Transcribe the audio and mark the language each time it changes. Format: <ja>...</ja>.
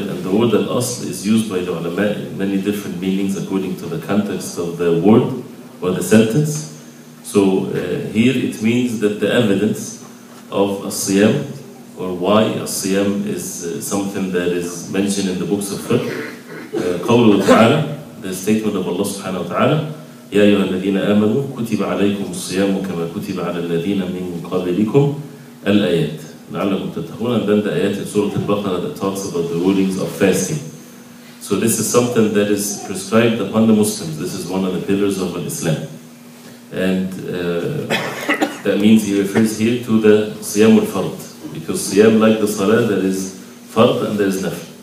<en>And the word al-asl is used by the ulama in many different meanings according to the context of the word or the sentence. So here it means that the evidence of الصيام or why الصيام is something that is mentioned in the books of fiqh.</en> <ar>قوله تعالى,</ar> <en>the statement of Allah subhanahu wa ta'ala,</en> <ar>يا أيها الذين آمنوا كتب عليكم الصيام كما كتب على الذين من قبلكم الآيات. لعلكم تتقون.</ar> <en>And then the ayat in Surah Al-Baqarah that talks about the rulings of fasting. So this is something that is prescribed upon the Muslims. This is one of the pillars of Islam. And that means he refers here to the siyam al-fard. Because siyam, like the salah, there is fard and there is nafl.</en>